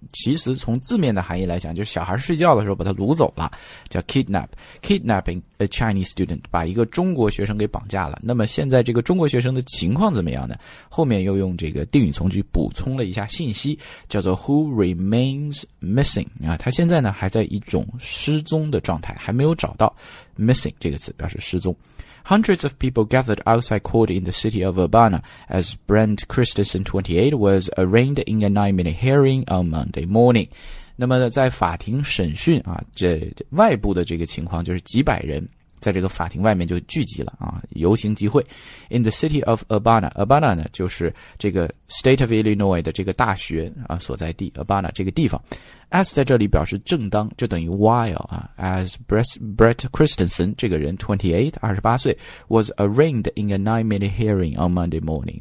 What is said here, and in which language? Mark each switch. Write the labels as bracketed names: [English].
[Chinese] 其实从字面的含义来讲，就是小孩睡觉的时候把他掳走了，叫 kidnap, kidnapping a Chinese student, 把一个中国学生给绑架了。那么现在这个中国学生的情况怎么样呢？后面又用这个定语从句补充了一下信息，叫做 who remains missing, 啊，他现在呢还在一种失踪的状态，还没有找到。 missing 这个词表示失踪。 [English] Hundreds of people gathered outside court in the city of Urbana as Brent Christensen, 28, was arraigned in a 9-minute hearing on Monday morning. [Chinese] 那么在法庭审讯啊，这外部的这个情况就是几百人在这个法庭外面就聚集了啊，游行集会。 In the city of Urbana, Urbana 呢就是这个 State of Illinois 的这个大学啊所在地 ,Urbana 这个地方。 As 在这里表示正当，就等于 while 啊。 [English] As Brett Christensen 这个人 28 was arraigned in a 9-minute hearing on Monday morning.